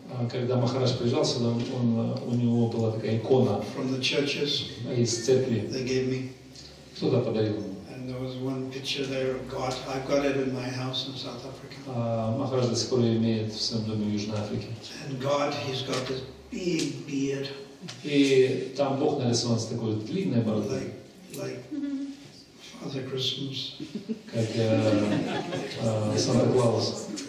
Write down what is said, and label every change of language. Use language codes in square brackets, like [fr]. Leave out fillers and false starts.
[ru] Когда Махарадж приезжал сюда, у него была такая икона. [en] From the churches. [ru] Из церкви. [en] They gave me. [ru] Кто-то подарил ему. [en] And there was one picture there of God. I've got it in my house in South Africa. [ru] Махарадж до сих пор имеет в своем доме в Южной Африке. [en] And God, he's got this big beard. [ru] И там Бог нарисован с такой длинной бородой. [en] Like Father Christmas. [ru] Как Санта Клаус.